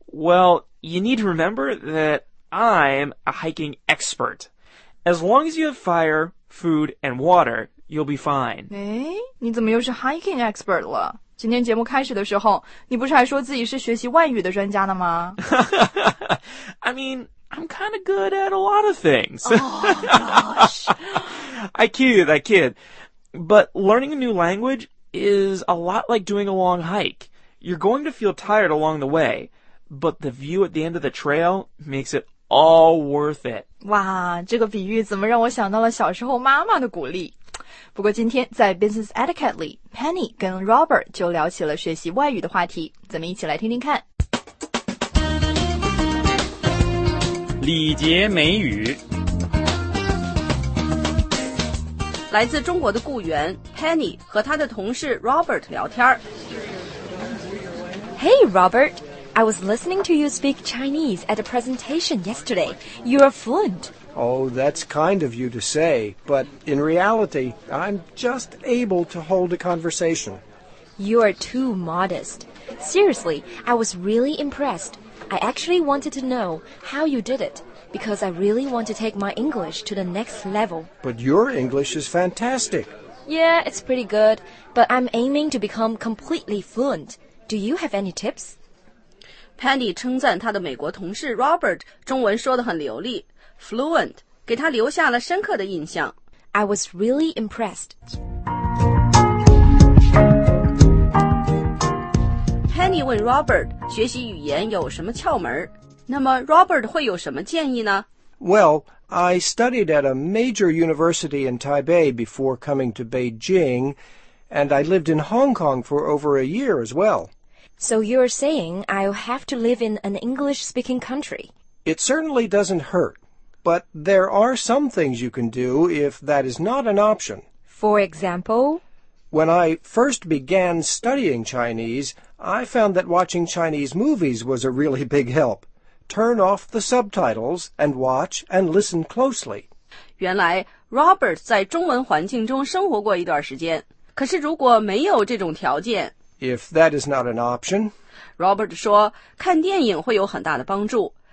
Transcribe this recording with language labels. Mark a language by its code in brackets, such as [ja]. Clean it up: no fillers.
[en] Well, you need to remember that I'm a hiking expert. As long as you have fire, food, and water, you'll be fine. [zh] 诶，你怎么又是 [en] hiking expert [zh] 了？今天节目开始的时候，你不是还说自己是学习外语的专家呢吗？ [en] I mean, I'm kind of good at a lot of things. Oh, gosh. I kid. But learning a new language is a lot like doing a long hike. You're going to feel tired along the way, but the view at the end of the trail makes it all worth it. [zh] 哇，这个比喻怎么让我想到了小时候妈妈的鼓励。不过今天在 Business Etiquette 里， Penny 跟 Robert 就聊起了学习外语的话题，咱们一起来听听看。李杰美语。来自中国的雇员 Penny 和他的同事 Robert 聊天。 [en] Hey Robert, I was listening to you speak Chinese at a presentation yesterday. You are fluent. Oh, that's kind of you to say, but in reality, I'm just able to hold a conversation. You are too modest. Seriously, I was really impressed. I actually wanted to know how you did it, because I really want to take my English to the next level. But your English is fantastic. Yeah, it's pretty good, but I'm aiming to become completely fluent. Do you have any tips? [zh] Penny 称赞他的美国同事 Robert 中文说得很流利。 Fluent 给他留下了深刻的印象。 [en] I was really impressed. [zh] Penny 问 Robert 学习语言有什么窍门？那么 Robert 会有什么建议呢？ [en] Well, I studied at a major university in Taipei before coming to Beijing, and I lived in Hong Kong for over a year as well. So you're saying I'll have to live in an English-speaking country? It certainly doesn't hurt. But there are some things you can do if that is not an option. For example? When I first began studying Chinese, I found that watching Chinese movies was a really big help. Turn off the subtitles and watch and listen closely. [zh] 原来 Robert 在中文环境中生活过一段时间。可是如果没有这种条件 [en] If that is not an option, [zh] Robert 说看电影会有很大的帮助。